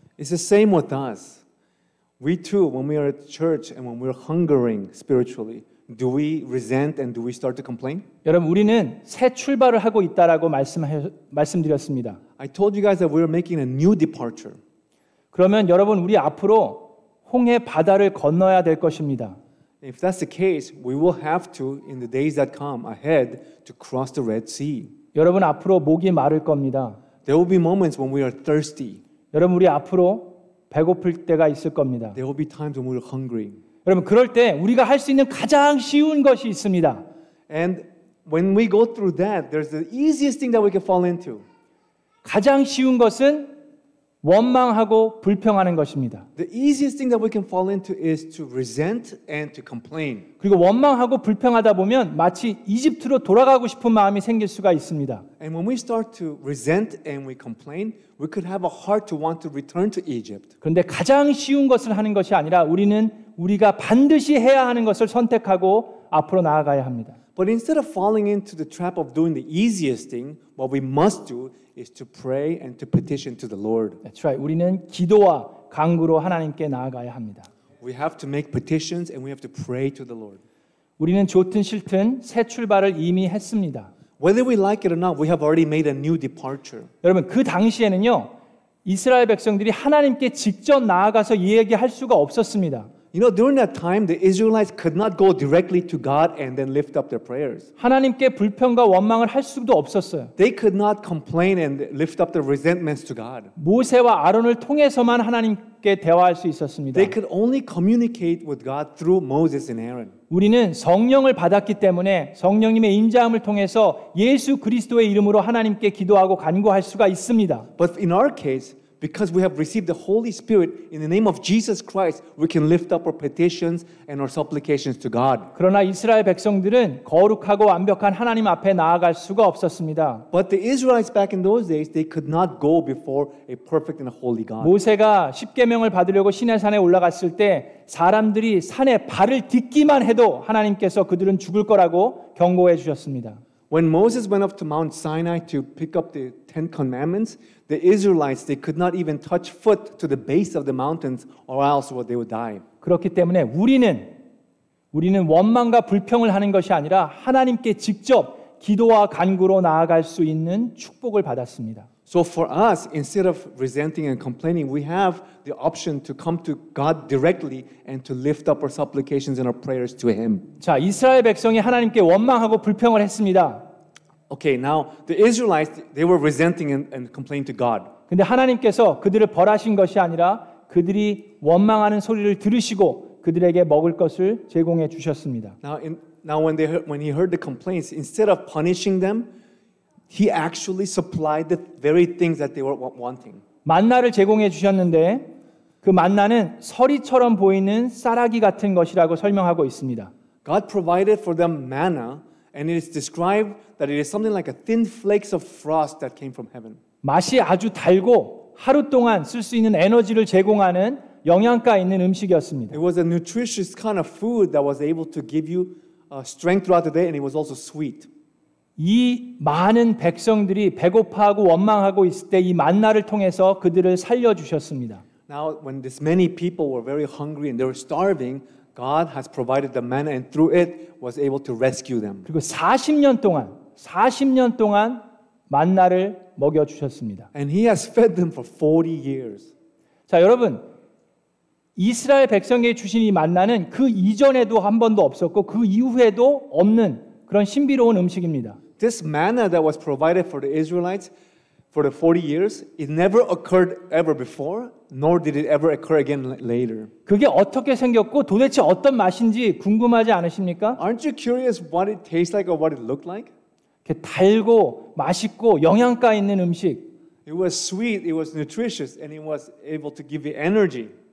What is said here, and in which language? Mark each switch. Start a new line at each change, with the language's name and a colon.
English: It's the same with us. We too, when we are at church and when we're hungering spiritually, do we resent and do we start to complain?
Korean: 여러분, 우리는 새 출발을 하고 있다라고 말씀드렸습니다.
English: I told you guys that we're making a new departure.
Korean: 그러면 여러분, 우리 앞으로 홍해 바다를 건너야 될 것입니다.
English: If that's the case, we will have to in the days that come ahead to cross the Red Sea.
Korean: 여러분, 앞으로 목이 마를 겁니다.
English: There will be moments when we are thirsty.
Korean: 여러분, 우리 앞으로 배고플 때가 있을 겁니다.
English: There will be times when we're hungry.
Korean: 여러분, 그럴 때 우리가 할 수 있는 가장 쉬운 것이 있습니다.
English: And when we go through that, there's the easiest thing that we can fall into.
Korean: 가장 쉬운 것은 원망하고 불평하는 것입니다.
English: The easiest thing that we can fall into is to resent and to complain.
Korean: 그리고 원망하고 불평하다 보면 마치 이집트로 돌아가고 싶은 마음이 생길 수가 있습니다.
English: And when we start to resent and we complain, we could have a heart to want to return to Egypt.
Korean: 그런데 가장 쉬운 것을 하는 것이 아니라 우리는 우리가 반드시 해야 하는 것을 선택하고 앞으로 나아가야 합니다.
English: But instead of falling into the trap of doing the easiest thing, what we must do is to pray and to petition to the Lord. That's right.
Korean: 우리는 기도와 간구로 하나님께 나아가야 합니다.
English: We have to make petitions and we have to pray to the Lord.
Korean: 우리는 좋든 싫든 새 출발을 이미 했습니다.
English: Whether we like it or not, we have already made a new departure.
Korean: 여러분, 그 당시에는요, 이스라엘 백성들이 하나님께 직접 나아가서 얘기할 수가 없었습니다.
English: You know, during that time, the Israelites could not go directly to God and then lift up their prayers.
Korean: 하나님께 불평과 원망을 할 수도 없었어요.
English: They could not complain and lift up their resentments to God.
Korean: 모세와 아론을 통해서만 하나님께 대화할 수 있었습니다.
English: They could only communicate with God through Moses and Aaron.
Korean: 우리는 성령을 받았기 때문에 성령님의 임재함을 통해서 예수 그리스도의 이름으로 하나님께 기도하고 간구할 수가 있습니다.
English: But in our case, because we have received the Holy Spirit in the name of Jesus Christ, we can lift up our petitions and our supplications to God.
Korean: 그러나 이스라엘 백성들은 거룩하고 완벽한 하나님 앞에 나아갈 수가 없었습니다.
English: But the Israelites back in those days, they could not go before a perfect and a holy God.
Korean: 모세가 십계명을 받으려고 시내산에 올라갔을 때 사람들이 산에 발을 딛기만 해도 하나님께서 그들은 죽을 거라고 경고해 주셨습니다.
English: When Moses went up to Mount Sinai to pick up the Ten Commandments, the Israelites, they could not even touch foot to the base of the mountains or else they would die.
Korean: 그렇기 때문에 우리는 원망과 불평을 하는 것이 아니라 하나님께 직접 기도와 간구로 나아갈 수 있는 축복을 받았습니다.
English: So for us, instead of resenting and complaining, we have the option to come to God directly and to lift up our supplications and our prayers to Him.
Korean: 자, 이스라엘 백성이 하나님께 원망하고 불평을 했습니다.
English: Okay, now the Israelites, they were resenting and complaining to God.
Korean: 근데 하나님께서 그들을 벌하신 것이 아니라 그들이 원망하는 소리를 들으시고 그들에게 먹을 것을 제공해 주셨습니다.
English: Now when he heard the complaints, instead of punishing them, He actually supplied the very things that they were wanting.
Korean: 만나를 제공해 주셨는데 그 만나는 서리처럼 보이는 싸라기 같은 것이라고 설명하고 있습니다.
English: God provided for them manna, and it is described that it is something like a thin flakes of frost that came from heaven.
Korean: 맛이 아주 달고 하루 동안 쓸 수 있는 에너지를 제공하는 영양가 있는 음식이었습니다.
English: It was a nutritious kind of food that was able to give you strength throughout the day, and it was also sweet.
Korean: 이 많은 백성들이 배고파하고 원망하고 있을 때 이 만나를 통해서 그들을 살려주셨습니다.
English: Now, when this many people were very hungry and they were starving, God has provided the manna and through it was able to rescue them.
Korean: 그리고 40년 동안 만나를 먹여주셨습니다.
English: And He has fed them for 40 years.
Korean: 자, 여러분, 이스라엘 백성에게 주신 이 만나는 그 이전에도 한 번도 없었고 그 이후에도 없는 그런 신비로운 음식입니다.
English: This manna that was provided for the Israelites for the 40 years, it never occurred ever before, nor did it ever occur again later.
Korean: 그게 어떻게 생겼고 도대체 어떤 맛인지 궁금하지 않으십니까?
English: Aren't you curious what it tastes like or what it looked like?
Korean: 이렇게 달고 맛있고 영양가 있는 음식.
English: It was sweet, it was nutritious, and it was able to give you energy.